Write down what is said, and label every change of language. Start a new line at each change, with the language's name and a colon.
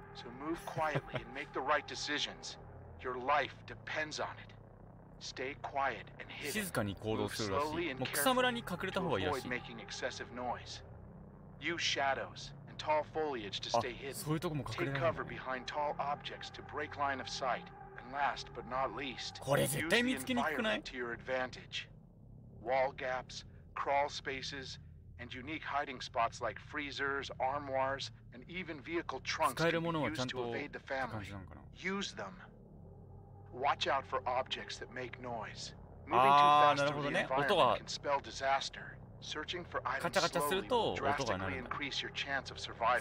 English: So move quietly and make the right decisions. Your life depends on it. Stay quiet and hidden.
Japanese: 静かに行動するらしい。もう草むらに隠れた方がいいらしい。
English: making excessive noise. Use shadows and tall foliage to stay hidden.
Japanese: そういうとこも隠れないんだね。
English: Take cover behind tall objects to break line of sight. And last but not least,
Japanese: これ絶対見つけにくくない？
English: Use the environment to your Wall gaps, crawl spaces, and unique hiding spots like freezers, armoires, and even vehicle trunks.
Japanese: 使えるものはちゃんと感じなんかな。
English: Use them. Watch out for objects that make noise. Moving too fast in the environment can spell disaster. Searching for items slowly will drastically increase your chance of survival.